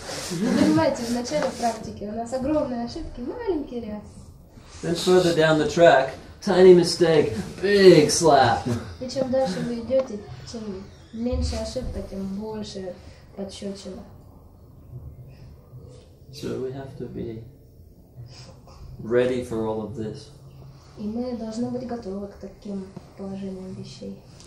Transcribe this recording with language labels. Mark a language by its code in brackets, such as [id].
[ru] Понимаете, в начале практики у нас огромные ошибки, маленькие реакции. [en] Then further down the track, tiny mistake, big slap. [ru] И чем дальше вы идете, тем меньше ошибка, тем больше подщечина. [en] So we have to be ready for all of this. [ru] И мы должны быть готовы к таким положениям вещей.